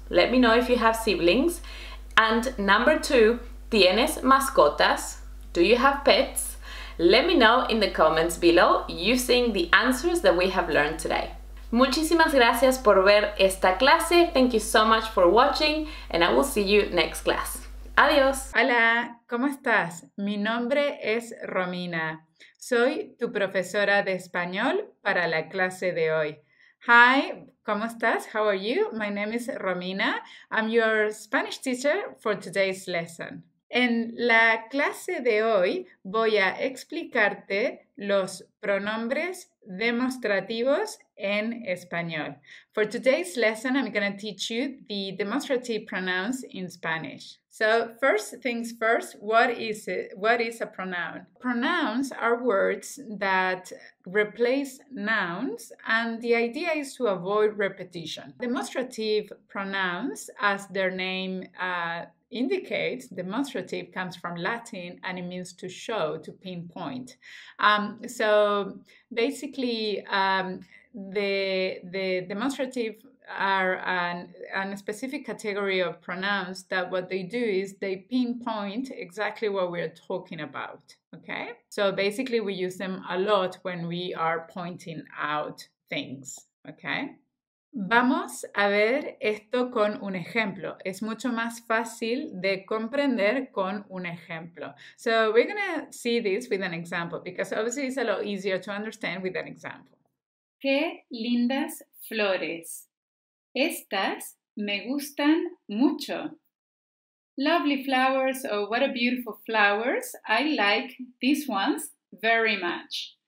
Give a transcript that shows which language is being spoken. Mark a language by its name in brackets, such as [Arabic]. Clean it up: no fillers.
[English] Let me know if you have siblings. And number two, [Spanish] ¿tienes mascotas? [English] Do you have pets? Let me know in the comments below using the answers that we have learned today. [Spanish] Muchísimas gracias por ver esta clase. [English] Thank you so much for watching and I will see you next class. [Spanish] Adiós. Hola, ¿cómo estás? Mi nombre es Romina. Soy tu profesora de español para la clase de hoy. [English] Hi, [Spanish] ¿cómo estás? [English] How are you? My name is Romina. I'm your Spanish teacher for today's lesson. [Spanish] En la clase de hoy voy a explicarte los pronombres demostrativos en español. [English] For today's lesson, I'm going to teach you the demonstrative pronouns in Spanish. So first things first, what is it? What is a pronoun? Pronouns are words that replace nouns, and the idea is to avoid repetition. Demonstrative pronouns, as their name indicates, demonstrative comes from Latin and it means to show, to pinpoint. So basically, the demonstrative are a specific category of pronouns that what they do is they pinpoint exactly what we're talking about. Okay, so basically we use them a lot when we are pointing out things. Okay. [Spanish] Vamos a ver esto con un ejemplo. Es mucho más fácil de comprender con un ejemplo. [English] So we're going to see this with an example because obviously it's a lot easier to understand with an example. [Spanish] Qué lindas flores. Estas me gustan mucho. [English] Lovely flowers. Oh, what a beautiful flowers. I like these ones very much.